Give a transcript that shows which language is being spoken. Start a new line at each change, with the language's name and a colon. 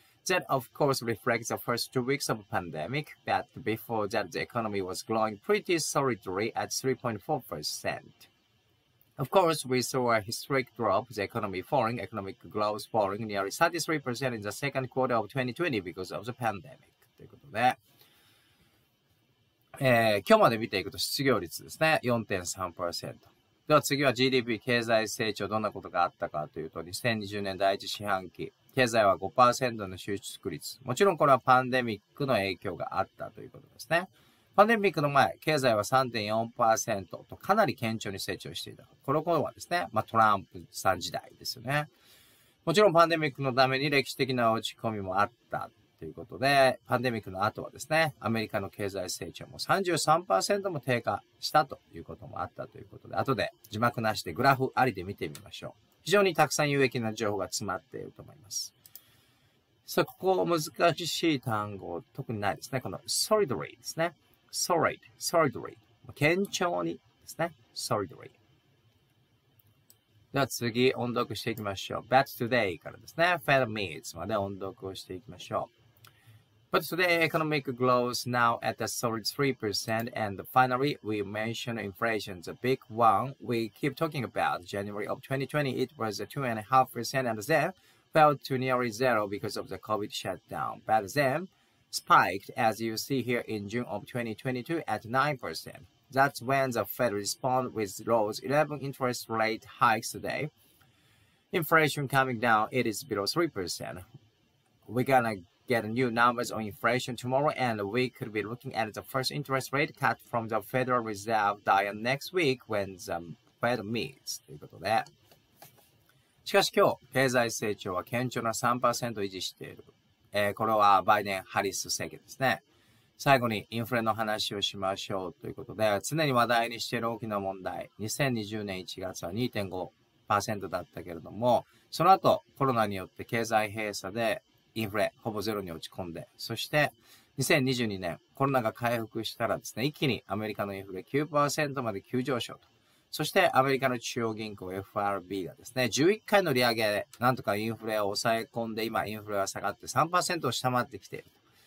English: That of course reflects the first 2 weeks of pandemic, but before that the economy was growing pretty solidly at 3.4%. Of course, we saw a historic drop, the economy falling, economic growth falling nearly 33% in the second quarter of 2020 because of the pandemic.
Japanese: ということで、今日まで見ていくと失業率ですね、4.3%。では次は GDP、 経済成長、どんなことがあったかというと、2020年第一四半期、経済は 5% の収縮率。もちろんこれはパンデミックの影響があったということですね。パンデミックの前、経済は 3.4% とかなり顕著に成長していた。この頃はですね、まあトランプさん時代ですよね。もちろんパンデミックのために歴史的な落ち込みもあったということで、パンデミックの後はですね、アメリカの経済成長も 33% も低下したということもあったということで、後で字幕なしでグラフありで見てみましょう。非常にたくさん有益な情報が詰まっていると思います。さあ、ここ難しい単語、特にないですね。この solidly ですね。solid、solidly。 堅調にですね。solidly。では次、音読していきましょう。
English: but today
Japanese: からですね。
English: fed meets
Japanese: まで音読をしていきましょう。
English: But today, economic growth now at a solid 3%, and finally, we mentioned inflation, the big one we keep talking about. January of 2020, it was 2.5% and then fell to nearly zero because of the COVID shutdown. But then spiked, as you see here, in June of 2022 at 9%. That's when the Fed responded with those 11 interest rate hikes today. Inflation coming down, it is below 3%. We're gonna get new numbers on inflation tomorrow, and we could be looking at the first interest rate cut from the Federal Reserve Dian next week when the Fed meets.
Japanese: ということで、しかし今日経済成長は堅調な 3% 維持している、これはバイデン・ハリス政権ですね。最後にインフレの話をしましょうということで、常に話題にしている大きな問題、2020年1月は 2.5% だったけれども、その後コロナによって経済閉鎖でインフレほぼゼロに落ち込んで、そして2022年コロナが回復したらですね、一気にアメリカのインフレ 9% まで急上昇と、そしてアメリカの中央銀行 FRB がですね、11回の利上げでなんとかインフレを抑え込んで、今インフレは下がって 3% を下回ってきていると。